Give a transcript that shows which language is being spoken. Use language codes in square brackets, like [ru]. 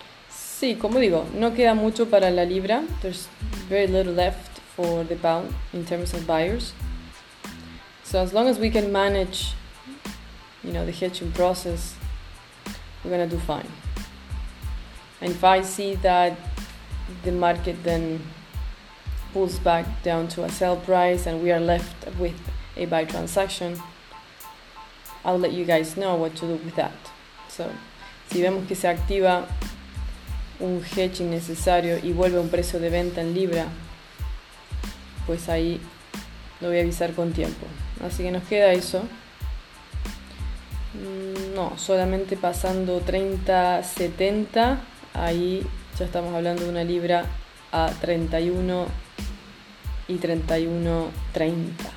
[es] Sí, como digo, no queda mucho para la libra. [en] There's very little left for the pound in terms of buyers. So as long as we can manage, you know, the hedging process, we're gonna do fine. And if I see that the market then pulls back down to a sell price and we are left with a buy transaction, I'll let you guys know what to do with that. [es] So si vemos que se activa un hedging necesario y vuelve un precio de venta en libra, pues ahí lo voy a avisar con tiempo. Así que nos queda eso. No, solamente pasando 30.70, ahí ya estamos hablando de una libra a 31 y 31.30.